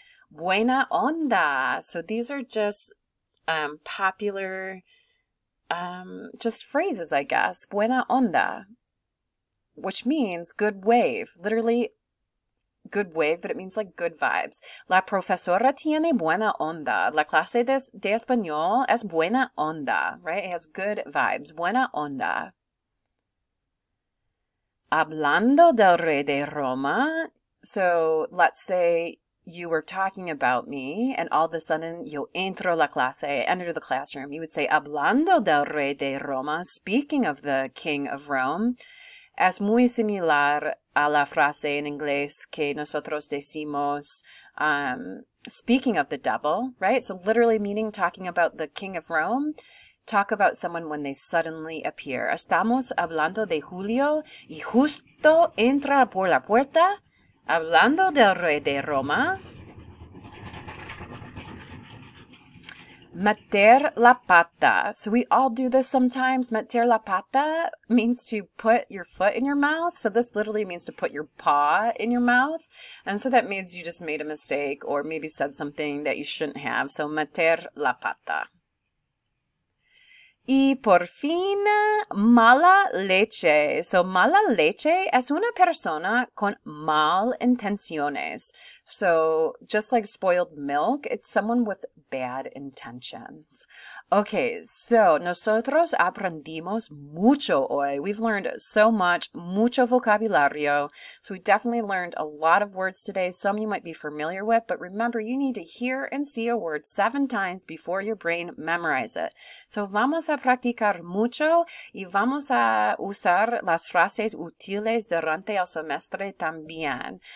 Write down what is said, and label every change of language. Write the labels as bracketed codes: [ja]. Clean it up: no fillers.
[es] Buena onda. [en] So these are just popular just phrases, I guess. [es] Buena onda, [en] which means good wave, literally good wave, but it means like good vibes. [es] La profesora tiene buena onda. La clase de español es buena onda, right? [en] It has good vibes. [es] Buena onda. Hablando del rey de Roma. [en] So let's say you were talking about me, and all of a sudden you [es] entro la clase, [en] enter the classroom. You would say, [es] hablando del rey de Roma, [en] speaking of the king of Rome. [es] Es muy similar a la frase en inglés que nosotros decimos, [en] speaking of the devil, [es] right? [en] So literally meaning talking about the king of Rome, talk about someone when they suddenly appear. [es] Estamos hablando de Julio y justo entra por la puerta, hablando del rey de Roma. Meter la pata. [en] So we all do this sometimes. [es] Meter la pata [en] means to put your foot in your mouth. So this literally means to put your paw in your mouth. And so that means you just made a mistake or maybe said something that you shouldn't have. [es] So meter la pata. Y por fin, mala leche. So mala leche es una persona con mal intenciones. [en] So just like spoiled milk, it's someone with bad intentions. [es] Okay, so nosotros aprendimos mucho hoy. [en] We've learned so much, [es] mucho vocabulario. [en] So we definitely learned a lot of words today. Some you might be familiar with, but remember, you need to hear and see a word 7 times before your brain memorize it. [es] So vamos a practicar mucho y vamos a usar las frases útiles durante el semestre también.